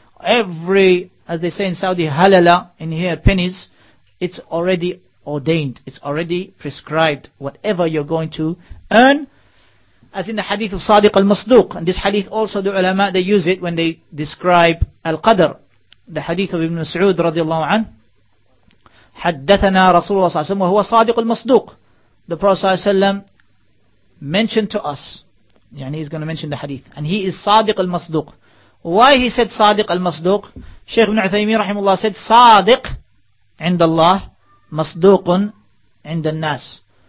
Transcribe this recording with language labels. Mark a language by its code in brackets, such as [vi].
[en] Every, as they say in Saudi, halala, in here, pennies, it's already ordained. It's already prescribed. Whatever you're going to earn, as in the hadith of Sadiq al-Masduq, and this hadith also, the ulama, they use it when they describe al-qadr. The hadith of Ibn Mas'ud radiallahu anhu, [ar] حدثنا رسول الله صلى الله عليه وسلم وهو صادق المصدوق. [en] The Prophet ﷺ mentioned to us, yani he's going to mention the hadith, and he is Sadiq al-Masduq. Why he said Sadiq al-Masduq? Shaykh ibn Uthaymeen rahimullah said, Sadiq عند Allah, Masduq عند الناس.